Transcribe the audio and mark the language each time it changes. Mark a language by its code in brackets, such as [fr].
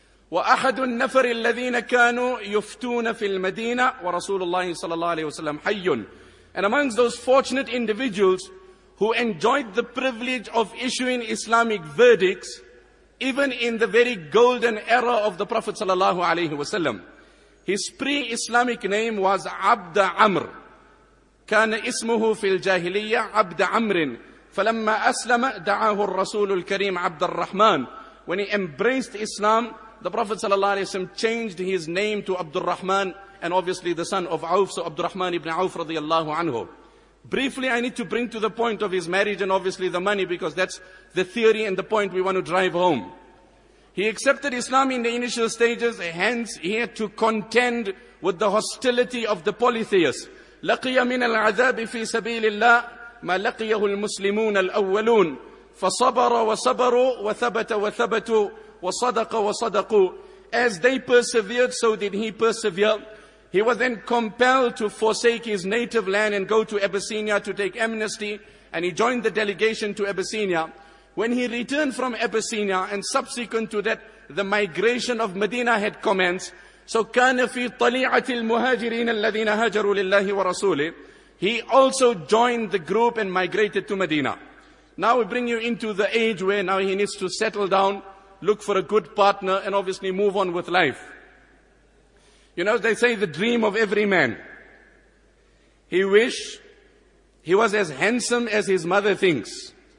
[ar] وَأَحَدُ النَّفَرِ الَّذِينَ كَانُوا يُفْتُونَ فِي الْمَدِينَةِ وَرَسُولُ اللَّهِ صَلَى اللَّهِ عَلَيْهِ وَسَلَّمْ حَيٌّ. [en] And amongst those fortunate individuals who enjoyed the privilege of issuing Islamic verdicts, even in the very golden era of the Prophet صلى الله عليه وسلم, his pre-Islamic name was عبد عمر. [ar] كان اسمه في الجاهلية عبد عمر. فلما أسلم دعاه الرسول الكريم عبد الرحمن. [en] When he embraced Islam, the Prophet صلى الله عليه وسلم changed his name to عبد الرحمن, and obviously the son of Auf, so عبد الرحمن ابن عوف رضي الله عنه. Briefly, I need to bring to the point of his marriage and obviously the money, because that's the theory and the point we want to drive home. He accepted Islam in the initial stages, hence he had to contend with the hostility of the polytheists. [ar] لقي من العذاب في سبيل الله ما لقيه المسلمون الأولون فصبر وصبروا وثبت وثبتوا وصدق وصدقوا. [en] As they persevered, so did he persevere. He was then compelled to forsake his native land and go to Abyssinia to take amnesty, and he joined the delegation to Abyssinia. When he returned from Abyssinia, and subsequent to that, the migration of Medina had commenced. [ar] So, كان في طليعة المهاجرين الذين هاجروا لله ورسوله. [en] He also joined the group and migrated to Medina. Now we bring you into the age where now he needs to settle down, look for a good partner, and obviously move on with life. You know, they say the dream of every man. He wished he was as handsome as his mother thinks.